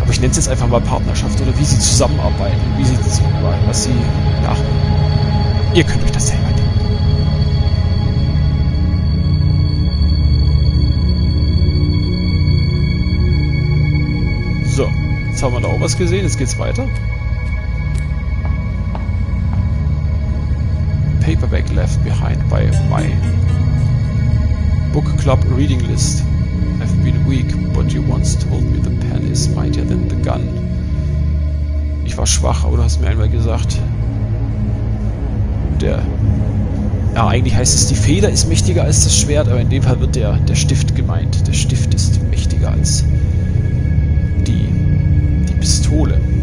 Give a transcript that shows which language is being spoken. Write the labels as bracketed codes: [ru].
[de] Aber ich nenne es jetzt einfach mal Partnerschaft oder wie sie zusammenarbeiten, wie sie das machen, was sie nach. Ihr könnt euch das selber denken. So, jetzt haben wir da auch was gesehen, jetzt geht's weiter. [en] Paperback left behind by my book club reading list. I've been weak, but you once told me the pen is mightier than the gun. [de] Ich war schwach, aber du hast mir einmal gesagt, der... Ja, eigentlich heißt es, die Feder ist mächtiger als das Schwert, aber in dem Fall wird der Stift gemeint. Der Stift ist mächtiger als die Pistole.